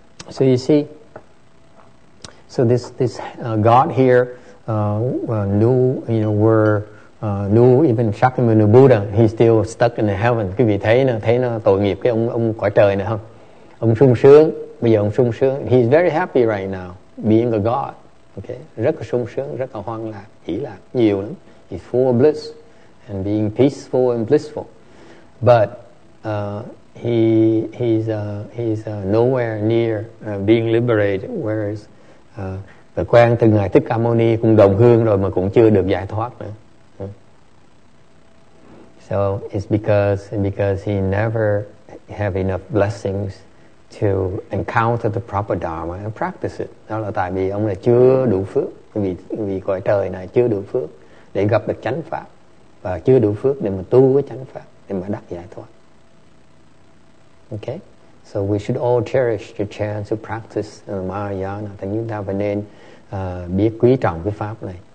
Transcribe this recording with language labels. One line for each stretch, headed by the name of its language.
English: So you see, so this God here knew, you know, were nếu even Shakyamuni Buddha, he still stuck in the heaven.
Vietnamese: Quý vị thấy nó tội nghiệp cái ông cõi trời này không? Ông sung sướng, bây giờ ông sung sướng.
English: He's very happy right now, being a god. Okay,
Vietnamese: rất là sung sướng, rất là hoan lạc, chỉ là nhiều lắm.
English: He's full of bliss and being peaceful and blissful. But he's nowhere near being liberated, whereas the
Vietnamese: quan từ ngài Thích Ca Mâu Ni cũng đồng hương rồi mà cũng chưa được giải thoát nữa.
English: So it's because he never have enough blessings to encounter the proper dharma and practice it.
Vietnamese: Đó là tại vì ông là chưa đủ phước, vì cõi trời này chưa đủ phước để gặp được chánh pháp và chưa đủ phước để mà tu cái chánh pháp để mà đắc giải thoát.
English: Okay, so we should all cherish the chance to practice the Mahayana.
Vietnamese: Thì chúng ta phải nên biết quý trọng cái pháp này.